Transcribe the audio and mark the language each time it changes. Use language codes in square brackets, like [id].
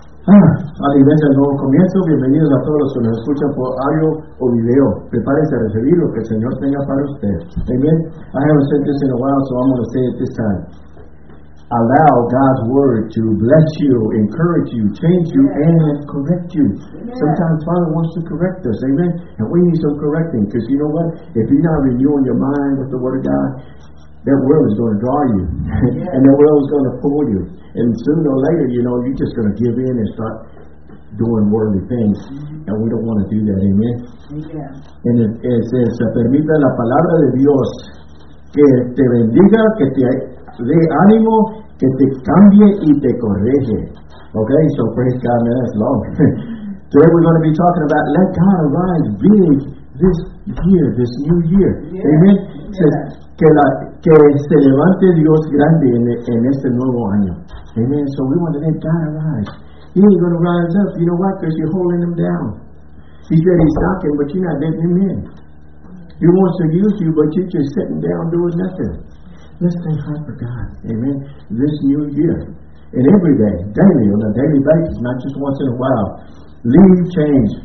[es] A la iglesia del nuevo comienzo, bienvenidos a todos los que nos escuchan por audio o video. Prepárense a recibir lo que el Señor tenga para usted. [en] Amen. I haven't said this in a while, so I'm going to say it this time. Allow God's word to bless you, encourage you, change you, and correct you. Sometimes Father wants to correct us. Amen. And we need some correcting, because you know what? If you're not renewing your mind with the Word of God, that world is going to draw you, and that world is going to pull you. And sooner or later, you know, you're just going to give in and start doing worldly things. And we don't want to do that, amen? Amen. And it says, [es] se permita la palabra de Dios que te bendiga, que te dé ánimo, que te cambie y te correge. [en] Okay, so praise God, man, that's long. Today we're going to be talking about let God arise big this year, this new year. Yes. Amen? Yes. [es] Says, que se levante Dios grande en este nuevo año. [en] Amen. So we want to let God arise. He ain't going to rise up. You know why? Because you're holding him down. He said he's knocking, but you're not letting him in. He wants to use you, but you're just sitting down doing nothing. Let's stay high for God. Amen. This new year. And every day, daily, on a daily basis, not just once in a while. Leave change.